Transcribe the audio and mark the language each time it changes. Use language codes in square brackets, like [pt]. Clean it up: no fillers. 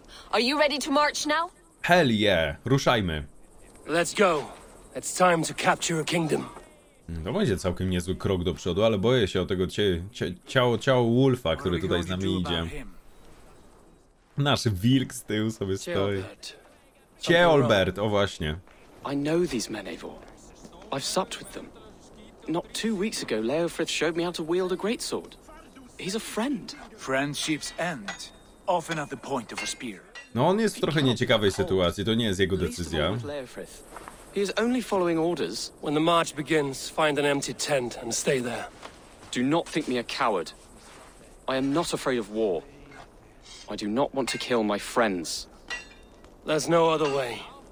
[en] Are you ready to march now? Hell yeah, ruszajmy. Let's go. It's time to capture a kingdom. [pl] To będzie całkiem niezły krok do przodu, ale boję się o tego ciało Wolfa, który tutaj z nami idzie. Nasz wilk z tyłu sobie stoi. [en] Cieolbert, [pl] o właśnie. [en] I know these men, Eivor. I've supped with them. Not 2 weeks ago, Leofrith showed me how to wield a greatsword. He's a friend. Friendships end often at the point of a spear. [pl] No, on jest w trochę nieciekawej sytuacji. To nie jest jego decyzja. [en] He is only following orders. When the march begins, find an empty tent and stay there. Do not think me a coward. I am not afraid of war. I do not want to kill my friends. There's no other way.